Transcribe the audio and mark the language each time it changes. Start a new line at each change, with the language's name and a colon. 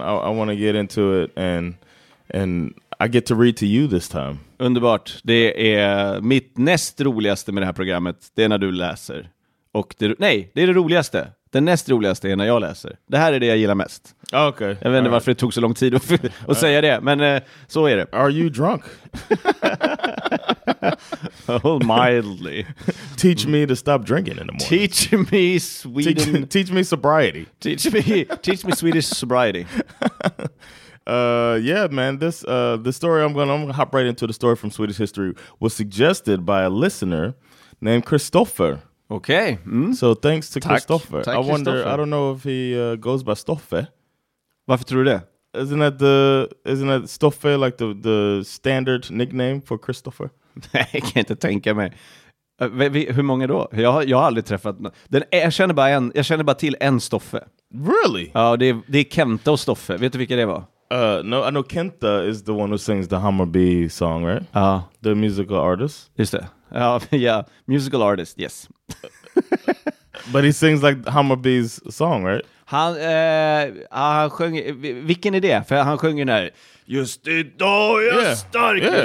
English: I want to get into it and I get to read to you this time.
Swedish: Underbart. Det är mitt näst roligaste med det här programmet. Det är när du läser. Och det är det roligaste. Det näst roligaste är när jag läser. Det här är det jag gillar mest.
English: Okay.
Swedish: Jag vet inte varför det tog så lång tid att säga det, men så är det.
English: Are you drunk? Oh, mildly. Teach me to stop drinking in the morning. Teach me Sweden. Teach me sobriety. Teach me Swedish sobriety. Yeah, man. This the story I'm gonna hop right into the story from Swedish history was suggested by a listener named Christopher. Okay. Mm. So thanks to Christopher. I wonder. I don't know if he goes by Stoffe.
Swedish: Varför tror du det?
English: Isn't that Stoffe like the standard nickname for Christopher?
Swedish: Jag kan inte tänka mig. Hur många då? Jag har aldrig träffat den. Jag känner bara till en Stoffe.
English: Really?
Swedish: Ja, det är Kenta och Stoffe. Vet du vilka det var?
English: No, I know Kenta is the one who sings the Hammarby song, right?
Swedish: Ja.
English: The musical artist.
Swedish: Just det. Ja,
English: musical artist, yes. But he sings like Hammarby's song, right?
Swedish: Han sjöng, vilken är det? För han sjöng ju när just idag är jag stark.